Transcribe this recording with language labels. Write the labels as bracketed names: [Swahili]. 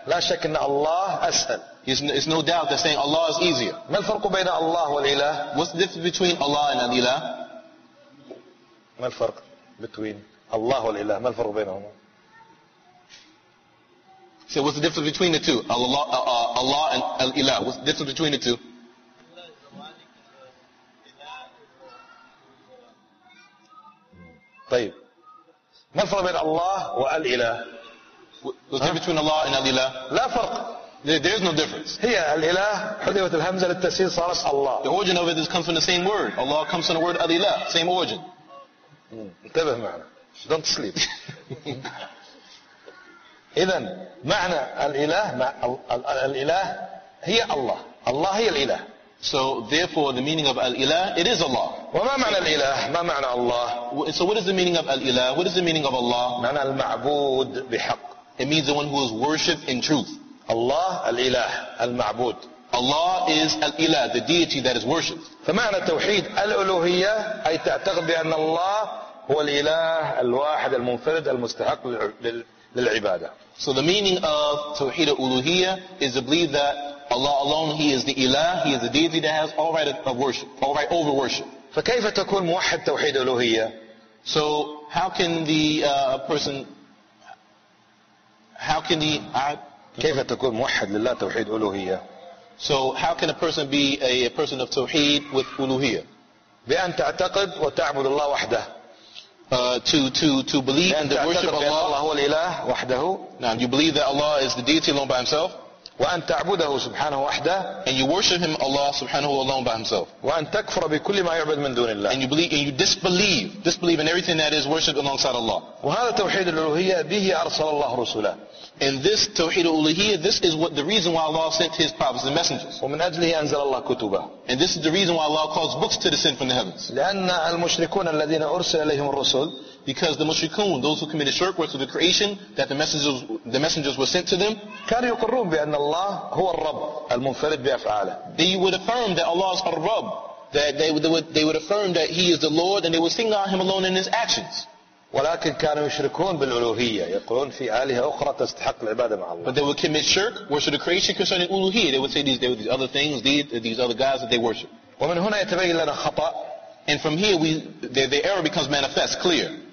[Arabic] لا شك أن الله أسهل. [English] It's no doubt that saying Allah is easier. [Arabic] ما الفرق بين الله والإله؟ [English] What's the difference between Allah and الإله? [Arabic] ما الفرق [English] between [Arabic] الله والإله؟ ما الفرق بينهما؟ [English] So what's the difference between the two? Allah and Al-Ilah. What's the difference between the two? [Arabic] طيب. [English] difference between Allah and Al-Ilah? What's the difference between Allah and Al-Ilah? [Arabic] لا فرق. [English] There is no difference. [Arabic] هي الإله حذفت الهمزة للتسهيل صارت الله. [English] The origin of it is comes from the same word. Allah comes from the word Al-Ilah. Same origin. [Arabic] انتبه معنا. [English] Don't sleep. [Arabic] إذن معنى الإله مع الإله هي الله. الله هي الإله. [English] So therefore the meaning of Al-Ilah, it is Allah. [Arabic] وما معنى الإله؟ ما معنى الله؟ [English] So what is the meaning of Al-Ilah? What is the meaning of Allah? [Arabic] معنى المعبود بحق. [English] It means the one who is worshipped in truth. [Arabic] Allah Al-Ilah Al-Ma'bud. [English] Allah is Al-Ilah, the deity that is worshipped. [Arabic] فمعنى التوحيد الألوهية أي تعتقد بأن الله هو الإله الواحد المنفرد المستحق للعبادة. [English] So the meaning of Tawheed Al-Uluhiyya is the belief that Allah alone, He is the Ilah, He is the deity that has all right of worship, all right over worship. [Arabic] فكيف تكون موحد توحيد الألوهية؟ [English] So how can the person, how can the... [Arabic] كيف تكون موحد لله توحيد ألوهية؟ [English] So how can a person be a person of Tawheed with Uluhiyya? [Arabic] بأن تعتقد وتعبد الله وحده. [English] To believe and worship Allah. [Arabic] أن الله هو الإله وحده. [English] Now you believe that Allah is the deity alone by Himself. [Arabic] وأن تعبده سبحانه وحده. [English] And you worship Him Allah سبحانه alone by Himself. [Arabic] وأن تكفر بكل ما يعبد من دون الله. [English] And you believe and you disbelieve in everything that is worshipped alongside Allah. [Arabic] وهذا توحيد الألوهية به أرسل الله رسله. [English] And this [Arabic] توحيد الألوهية, [English] this is what the reason why Allah sent His prophets and messengers. [Arabic] ومن أجله أنزل الله كتبه. [English] And this is the reason why Allah caused books to descend from the heavens. [Arabic] لأن المشركون الذين أرسل إليهم الرسل. [English] Because the mushrikun, those who committed shirk with the creation that the messengers were sent to them, [Arabic] كانوا يقرون بأن الله هو الرب المنفرد بأفعاله. [English] They would affirm that Allah is الرب. That they would affirm that He is the Lord, and they would sing out Him alone in His actions. [Arabic] ولكن كانوا يشركون بالألوهية يقولون في آلهة أخرى تستحق العبادة مع الله. [English] But they would commit shirk, worship the creation concerning ألوهية. They would say these other things, these other gods that they worship. [Arabic] ومن هنا يتبين لنا خطأ. [English] And from here the error becomes manifest, clear.